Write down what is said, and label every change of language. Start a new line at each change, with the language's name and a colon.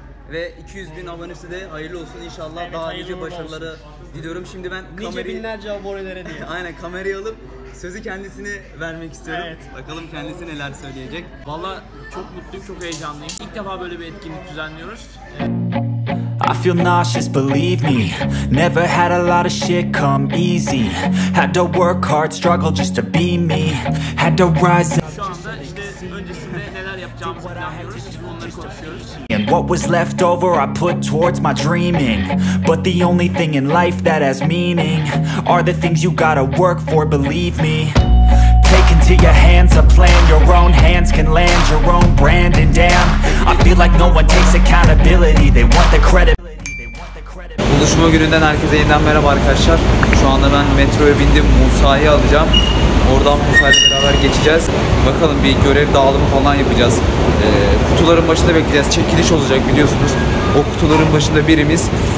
Turkish: Ve 200 bin abonesi de hayırlı olsun inşallah. Evet, daha nice başarıları olsun diliyorum. Şimdi ben nice kamerayı... binlerce abonelere diye. Aynen, kamerayı alıp sözü kendisine vermek istiyorum. Evet. Bakalım kendisi neler söyleyecek. Vallahi çok mutluyum, çok heyecanlıyım. İlk defa böyle bir etkinlik düzenliyoruz.
English: I feel nauseous, believe me. Never had a lot of shit come easy. Had to work hard, struggle just to be me. Had to rise.
Turkish: Şu anda işte öncesinde neler yapacağımızı planlıyoruz. Onları konuşuyoruz.
English: And what was left over I put towards my dreaming. But the only thing in life that has meaning are the things you gotta work for, believe me. To your hands a plan, your own hands can land your own brand. And damn, I feel like no one takes accountability. They want the credibility.
Turkish: Buluşma gününden herkese yeniden merhaba arkadaşlar. Şu anda ben metroya bindim, Musa'yı alacağım. Oradan Musa'yla beraber geçeceğiz. Bakalım bir görev dağılımı falan yapacağız. Kutuların başında bekleyeceğiz. Çekiliş olacak biliyorsunuz. O kutuların başında birimiz.